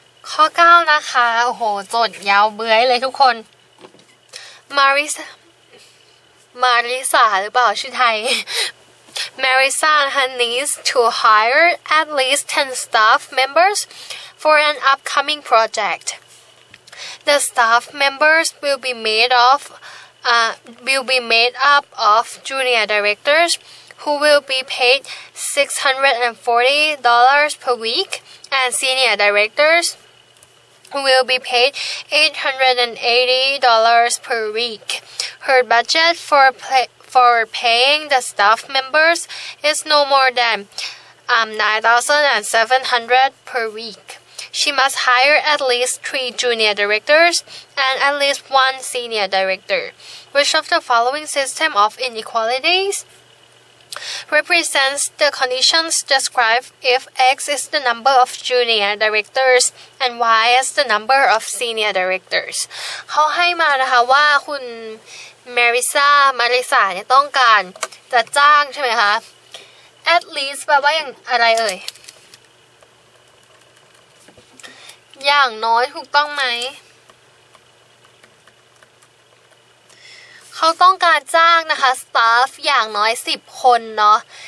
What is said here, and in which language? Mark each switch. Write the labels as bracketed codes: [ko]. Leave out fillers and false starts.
[th] ข้อ9นะคะโอ้โหจดยาวเบื้อยเลยทุกคนมาริสาหรือเปล่าชื่อไทย [en] Marisa and her niece to hire at least 10 staff members for an upcoming project. The staff members will be made up of junior directors who will be paid $640 per week and senior directors will be paid $880 per week. Her budget for paying the staff members is no more than $9,700 per week. She must hire at least 3 junior directors and at least 1 senior director. Which of the following system of inequalities represents the conditions described if X is the number of junior directors and Y is the number of senior directors? [th] เขาให้มานะคะว่าคุณมาริซาเนี่ยต้องการจะจ้างใช่ไหมคะ at least แปลว่าอย่างอะไรเอ่ยอย่างน้อยถูกต้องไหมเขาต้องการจ้างนะคะ staff อย่างน้อย10คนเนาะ